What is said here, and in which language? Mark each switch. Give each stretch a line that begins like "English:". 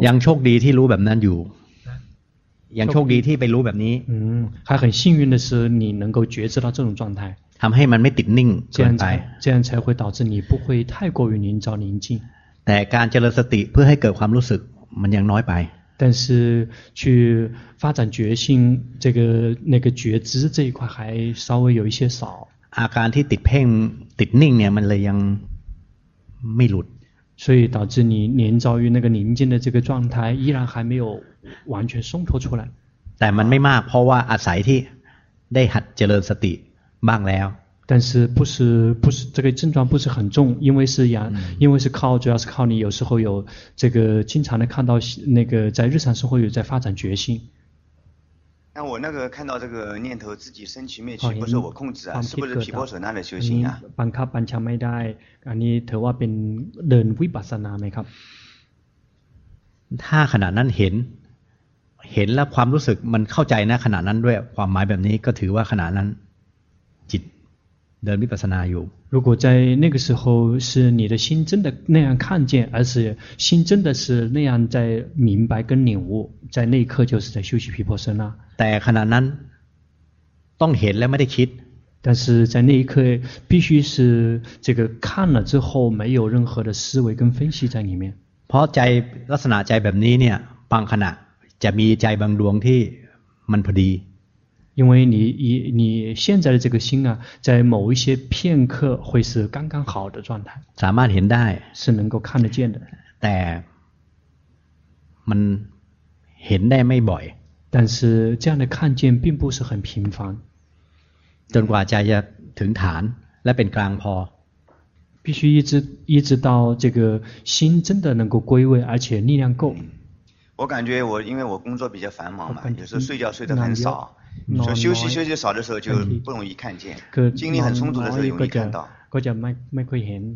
Thai: ยังโชคดีที่รู้แบบนั้นอยู่ยังโชคดีที่ไปรู้แบบนี้
Chinese: 还很幸运的是你能够觉知到这种状态
Thai: ทำให้มันไม่ติดนิ่งเกินไป
Chinese: 这样才会导致你不会太过于凝着宁静
Thai: แต่การเจริญสติเพื่อให้เกิดความรู้สึกมันยังน้อยไป
Chinese: 但是去发展觉性这个那个觉知这一块还稍微有一些少
Thai: อาการที่ติดเพ่งติดนิ่งเนี่ยมันเลยยังไม่หลุด
Chinese: 所以导致你连着于那个宁静的这个状态依然还没有完全松脱出来
Thai: แต่มันไม่มากเพราะว่าอาศัยที่ได้หัดเจริญสติบ้างแล้ว
Chinese: 但是不是这个症状不是很重因为是靠主要是靠你有时候有这个经常的看到那个在日常生活有在发展决心那我那个看到这个念头自己生起灭去不是我控制啊是不是毗婆舍那的修行啊
Thai: บังคับบัญชาไม่ได้อันนี้ถือว่าเป็นเดินวิปัสสนาไหมครับ ถ้าขณะนั้นเห็นแล้วความรู้สึกมันเข้าใจนะขณะนั้นด้วยความหมายแบบนี้ก็ถือว่าขณะนั้นจิต
Chinese: 的密法萨那有。如果在那个时候是你的心真的那样看见，而是心真的是那样在明白跟领悟，在那一刻就是在休息毗婆舍那。
Thai: แต่ขณะนั้นต้องเห็นแล้วไม่ได้คิด。
Chinese: 但是在那一刻必须是这个看了之后没有任何的思维跟分析在里面。
Thai: เพราะใจลักษณะใจแบบนี้เนี่ยบางขณะจะมีใจบางดวงที่มันพอดี。
Chinese: 因为你现在的这个心啊，在某一些片刻会是刚刚好的状态。
Thai: สามารถเห็นได้
Chinese: 。是能够看得见的。
Thai: แต่มันเห็นได้ไม่บ่อย。
Chinese: 但是这样的看见并不是很频繁。
Thai: จนกว่าใจจะถึงฐานและเป็นกลางพ
Chinese: อ必须一直到这个心真的能够归位而且力量够我感觉我因为我工作比较繁忙嘛有时候睡觉睡得很少所以休息少的时候就不容易看见精力很充足的时候容易看到
Thai: ก็จะไม่ค่อยเห็น